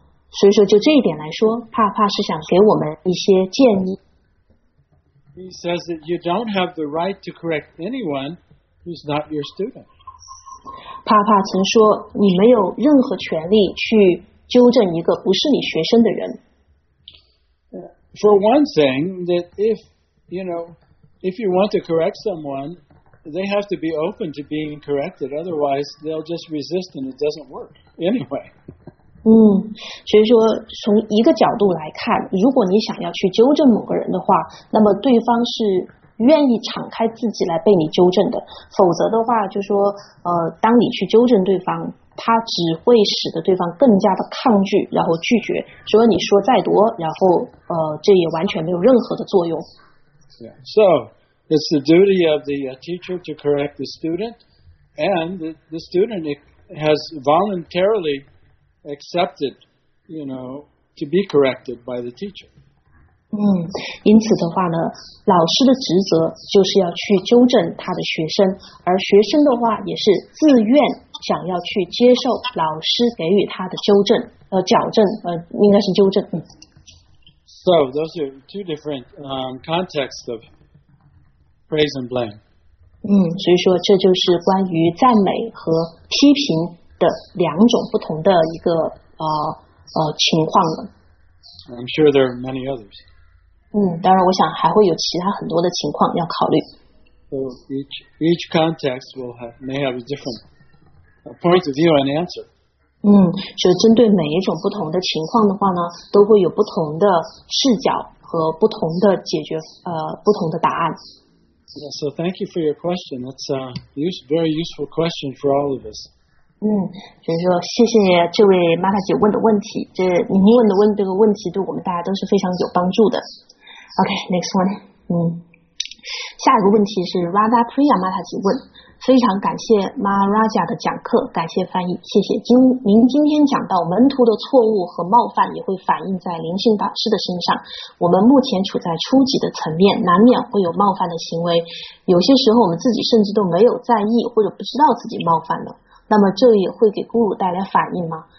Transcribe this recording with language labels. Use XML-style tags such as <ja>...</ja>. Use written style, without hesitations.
<zh>所以说就这一点来说，帕帕是想给我们一些建议。</zh> <en>He says that you don't have the right to correct anyone who's not your student.</en> <zh>帕帕曾说，你没有任何权利去纠正一个不是你学生的人。</zh> <en>For one thing, that if you know, if you want to correct someone, they have to be open to being corrected. Otherwise, they'll just resist and it doesn't work. Anyway,</en> <zh>所以说从一个角度来看，如果你想要去纠正某个人的话，那么对方是愿意敞开自己来被你纠正的。否则的话，就说当你去纠正对方，他只会使得对方更加的抗拒，然后拒绝。所以你说再多，然后这也完全没有任何的作用。</zh> <en>Yeah. So it's the duty of the teacher to correct the student, and the student. Has voluntarily accepted, you know, to be corrected by the teacher.</en> <zh>因此的话呢，老师的职责就是要去纠正他的学生，而学生的话也是自愿想要去接受老师给予他的纠正，矫正，应该是纠正。</zh> <en>So those are two different contexts of praise and blame.</en> <zh>所以说这就是关于赞美和批评的两种不同的一个情况了。</zh> <en>I'm sure there are many others.</en> <zh>当然我想还会有其他很多的情况要考虑。</zh> <en>So each context may have a different point of view and answer.</en> <zh>所以针对每一种不同的情况的话呢，都会有不同的视角和不同的解决不同的答案。</zh> <en>Yeah, so thank you for your question. That's a very useful question for all of us.</en> <zh>所以说谢谢这位玛塔姐问的问题，这您问的问这个问题对我们大家都是非常有帮助的。</zh> <en>OK, next one.</en> <zh>下一个问题是 Radha Priya 玛塔姐问，非常感谢 Maharaja 的讲课，感谢翻译，谢谢您今天讲到门徒的错误和冒犯也会反映在灵性导师的身上，我们目前处在初级的层面，难免会有冒犯的行为，有些时候我们自己甚至都没有在意或者不知道自己冒犯了，那么这也会给咕噜带来反应吗？</zh>